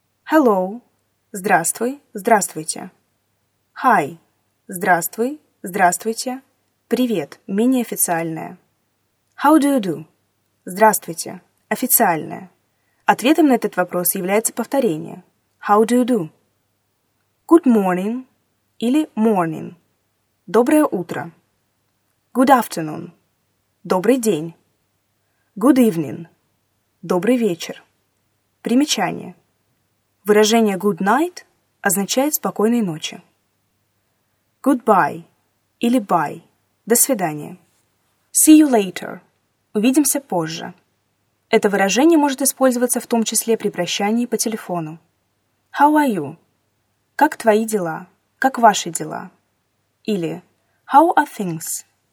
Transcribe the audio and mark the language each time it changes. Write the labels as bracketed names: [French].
[English] Hello. [Russian] Здравствуй. Здравствуйте. [English] Hi. [Russian] Здравствуй. Здравствуйте. Привет. Менее официальное. [English] How do you do? [Russian] «Здравствуйте», официальное. Ответом на этот вопрос является повторение. [English] «How do you do?» «Good morning» или «morning». [Russian] «Доброе утро». [English] «Good afternoon». [Russian] «Добрый день». [English] «Good evening». [Russian] «Добрый вечер». Примечание. Выражение [English] «good night» [Russian] означает «спокойной ночи». [English] «Goodbye» или «bye». [Russian] «До свидания». [English] «See you later». [Russian] «Увидимся позже». Это выражение может использоваться в том числе при прощании по телефону. [English] «How are you?» [Russian] «Как твои дела?» «Как ваши дела?» [English] Или «How are things?»